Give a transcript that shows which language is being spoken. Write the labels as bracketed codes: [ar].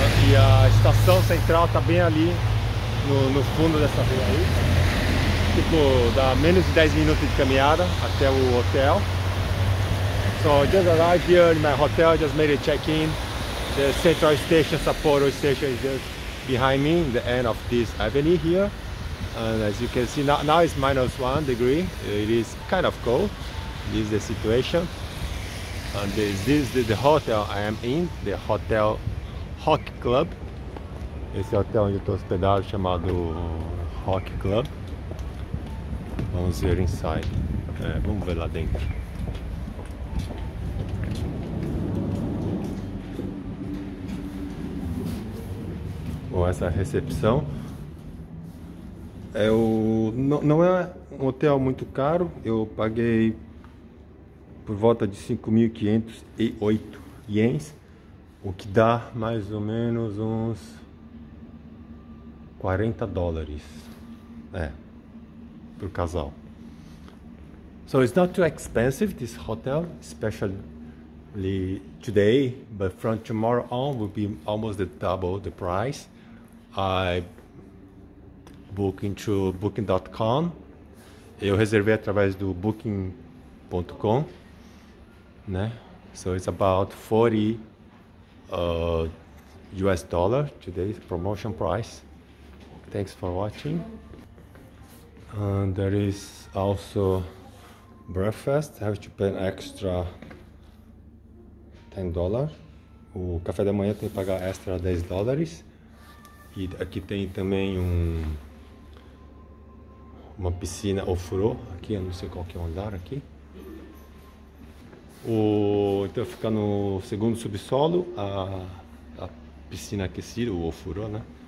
[pt] E a estação central tá bem ali no fundo dessa rua aí. Tipo, dá menos de 10 minutos de caminhada até o hotel. [en] So I just arrived here in my hotel, just made a check-in. The central station, Sapporo station, is just behind me, the end of this avenue here. And as you can see, now it's minus 1 degree. It is kind of cold. This is the situation. And this is the hotel I am in, the hotel Hokke Club. [pt] Esse hotel onde eu estou hospedado chamado Hokke Club. Vamos ver inside. Vamos ver lá dentro. Bom, essa recepção não é um hotel muito caro. Eu paguei por volta de 5.508 ienes, o que dá mais ou menos uns 40 dólares. Pro casal. [en] So it's not too expensive, this hotel, especially today, but from tomorrow on will be almost the double the price. I book into booking.com. [pt] Eu reservei através do booking.com, né? [en] So it's about 40 US dollar today's promotion price. Thanks for watching. And there is also breakfast. I have to pay an extra $10. [pt] O café da manhã tem que pagar extra $10. E aqui tem também uma piscina ofurô. Aqui eu não sei qual que é o andar aqui. Então fica no segundo subsolo a piscina aquecida, o ofurô, né?